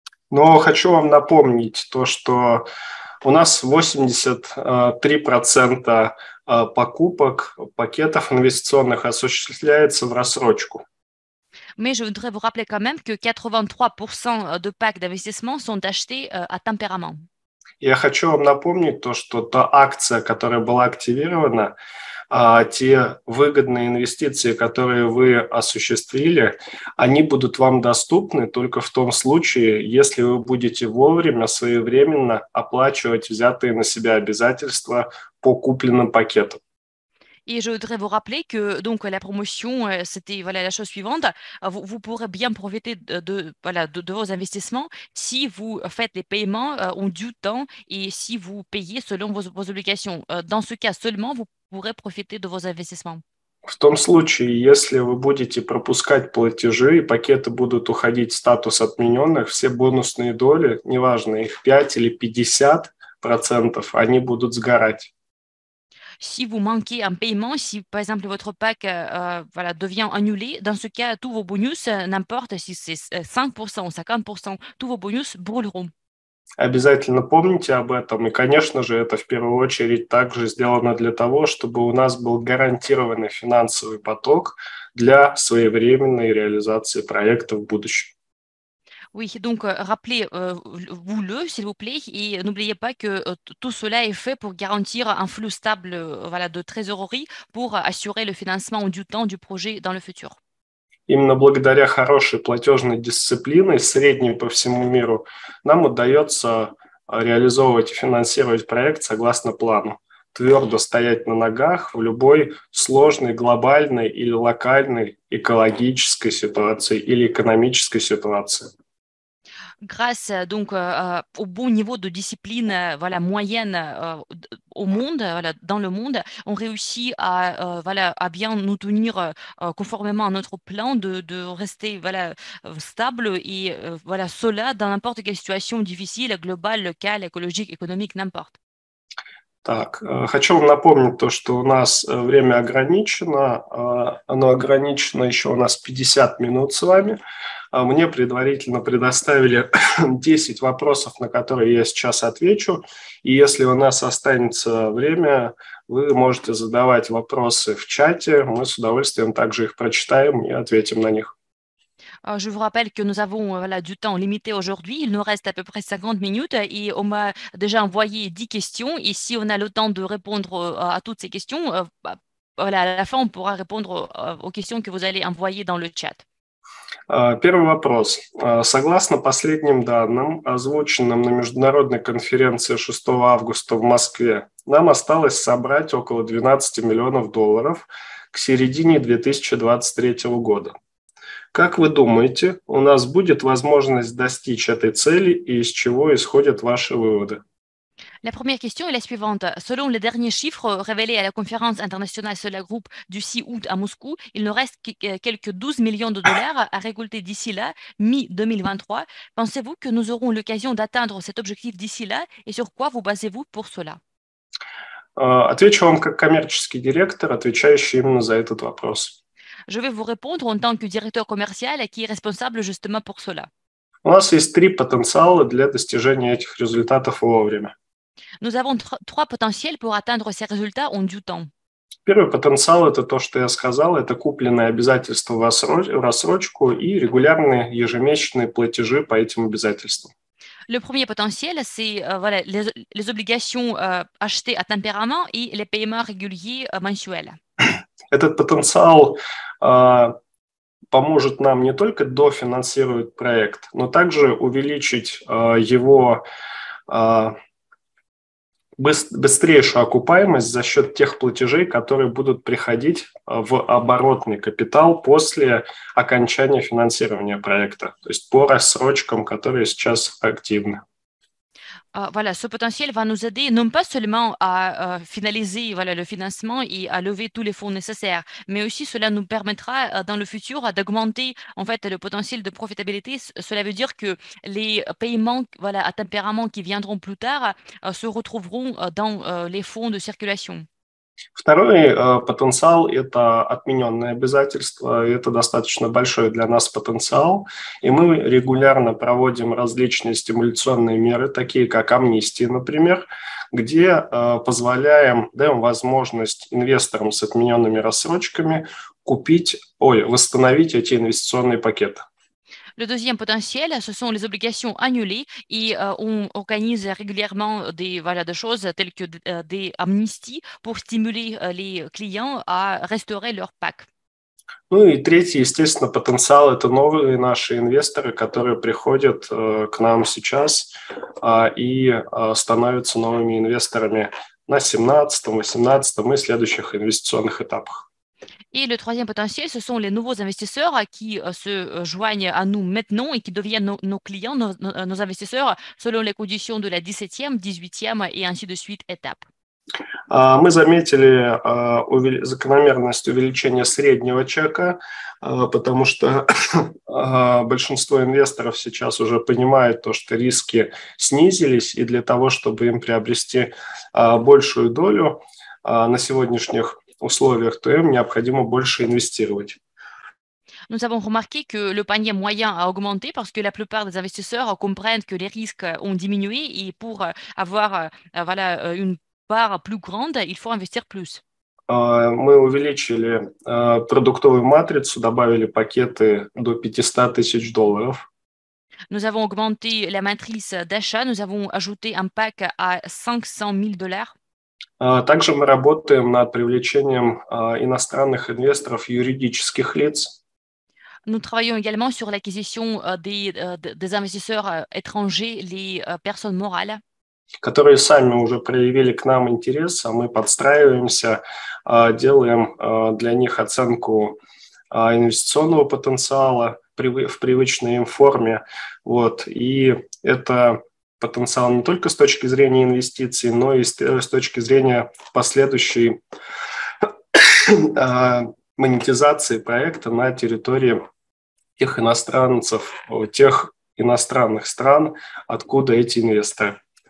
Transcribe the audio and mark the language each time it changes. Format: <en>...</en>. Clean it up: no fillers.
<ru>Но хочу вам напомнить то, что у нас 83% покупок, пакетов инвестиционных осуществляется в рассрочку.</ru> <fr>Mais je voudrais vous rappeler quand même que 83% de packs d'investissement sont achetés à tempérament.</fr> <ru>Я хочу вам напомнить то, что та акция, которая была активирована, те выгодные инвестиции, которые вы осуществили, они будут вам доступны только в том случае, если вы будете вовремя, своевременно оплачивать взятые на себя обязательства по купленным пакетам.</ru> <fr>Et je voudrais vous rappeler que donc la promotion, c'était voilà, la chose suivante. Vous pourrez bien profiter de vos investissements si vous faites les paiements en due temps et si vous payez selon vos obligations. Dans ce cas seulement, vous pourrez profiter de vos investissements.</fr> <ru>В том случае, если вы будете пропускать платежи и пакеты будут уходить в статус отмененных, все бонусные доли, неважно, их 5 или 50%, они будут сгорать.</ru> <fr>Si vous manquez un paiement, si par exemple votre pack voilà, devient annulé, dans ce cas, tous vos bonus, n'importe si c'est 5% ou 50%, tous vos bonus brûleront.</fr> <ru>Обязательно помните об этом. И, конечно же, это в первую очередь также сделано для того, чтобы у нас был гарантированный финансовый поток для своевременной реализации проекта в будущем.</ru> <fr>Oui, donc rappelez-vous-le, s'il vous plaît, et n'oubliez пas que tout cela est fait pour garantir un flux stable voilà, de trésorerie pour assurer le financement du temps du projet dans le futur.</fr> <ru>Именно благодаря хорошей платежной дисциплине, средней по всему миру, нам удается реализовывать и финансировать проект согласно плану, твердо стоять на ногах в любой сложной глобальной или локальной экологической ситуации или экономической ситуации.</ru> <fr>Grâce donc au bon niveau de discipline voilà moyenne au monde voilà, dans le monde on réussit à voilà à bien nous tenir conformément à notre plan de rester voilà stable et voilà cela dans n'importe quelle situation difficile globale locale écologique économique n'importe.</fr> <ru>Так, хочу вам напомнить то, что у нас время ограничено. Оно ограничено еще у нас 50 минут с вами. Мне предварительно предоставили 10 вопросов, на которые я сейчас отвечу. И если у нас останется время, вы можете задавать вопросы в чате. Мы с удовольствием также их прочитаем и ответим на них.</ru> <fr>Je vous rappelle que nous avons voilà, du temps limité aujourd'hui. Il nous reste à peu près 50 minutes et on m'a déjà envoyé 10 questions. Et si on a le temps de répondre à toutes ces questions, voilà, à la fin, on pourra répondre aux questions que vous allez envoyer dans le chat.</fr> <ru>Первый вопрос. Согласно последним данным, озвученным на международной конференции 6 августа в Москве, нам осталось собрать около 12 миллионов долларов к середине 2023 года. Как вы думаете, у нас будет возможность достичь этой цели и из чего исходят ваши выводы?</ru> <fr>La première question est la suivante. Selon les derniers chiffres révélés à la conférence internationale sur la groupe du 6 août à Moscou, il nous reste quelques 12 millions de dollars à récolter d'ici là, mi-2023. Pensez-vous que nous aurons l'occasion d'atteindre cet objectif d'ici là et sur quoi vous basez-vous pour cela?</fr> <ru>Отвечу вам как коммерческий директор, отвечающий именно за этот вопрос.</ru> <fr>Je vais vous répondre en tant que directeur commercial qui est responsable justement pour cela.</fr> <ru>У нас есть три потенциала для достижения этих результатов вовремя.</ru> <fr>Nous avons trois potentiels pour atteindre ces résultats en due temps.</fr> <ru>Первый потенциал – это то, что я сказал, это купленные обязательства в рассрочку и регулярные ежемесячные платежи по этим обязательствам.</ru> <fr>Le premier potentiel, c'est voilà, les obligations achetées à tempérament et les paiements réguliers mensuels.</fr> <ru>Этот потенциал поможет нам не только дофинансировать проект, но также увеличить его быстрейшую окупаемость за счет тех платежей, которые будут приходить в оборотный капитал после окончания финансирования проекта, то есть по рассрочкам, которые сейчас активны.</ru> <fr>Voilà, ce potentiel va nous aider non pas seulement à finaliser voilà, le financement et à lever tous les fonds nécessaires, mais aussi cela nous permettra dans le futur d'augmenter en fait, le potentiel de profitabilité. Cela veut dire que les paiements voilà, à tempérament qui viendront plus tard se retrouveront dans les fonds de circulation.</fr> <ru>Второй потенциал – это отмененные обязательства. Это достаточно большой для нас потенциал. И мы регулярно проводим различные стимуляционные меры, такие как амнистии, например, где позволяем, даем возможность инвесторам с отмененными рассрочками купить, ой, восстановить эти инвестиционные пакеты.</ru> <fr>Le deuxième potentiel, ce sont les obligations annulées et on organise régulièrement des, voilà, des choses telles que des amnisties pour stimuler les clients à restaurer leur pack.</fr> <ru>Ну и третий, естественно, потенциал – это новые наши инвесторы, которые приходят к нам сейчас и становятся новыми инвесторами на 17-м, 18-м и следующих инвестиционных этапах.</ru> <fr>Et le troisième potentiel, ce sont les nouveaux investisseurs qui se joignent à nous maintenant et qui deviennent nos clients, nos investisseurs, selon les conditions de la 17e, 18e et ainsi de suite étape.</fr> <ru>Мы заметили закономерность увеличения среднего чека, потому что большинство инвесторов сейчас уже понимают то, что риски снизились, и для того, чтобы им приобрести большую долю на сегодняшних условиях, то им необходимо больше инвестировать.</ru> <fr>Nous avons remarqué que le panier moyen a augmenté parce que la plupart des investisseurs comprennent que les risques ont diminué et pour avoir voilà, une part plus grande, il faut investir plus.</fr> <ru>Мы увеличили продуктовую матрицу, добавили пакеты до 500 тысяч долларов.</ru> <fr>Nous avons augmenté la matrice d'achat, nous avons ajouté un pack à 500 000 dollars.</fr> <ru>Также мы работаем над привлечением иностранных инвесторов, юридических лиц.</ru> <fr>Nous travaillons également sur l'acquisition des investisseurs étrangers, les personnes morales.</fr> <ru>Которые сами уже проявили к нам интерес, а мы подстраиваемся, делаем для них оценку инвестиционного потенциала в привычной им форме. Вот. И это потенциал не только с точки зрения инвестиций, но и с точки зрения последующей монетизации проекта на территории тех иностранцев, тех иностранных стран, откуда эти инвесторы.</ru>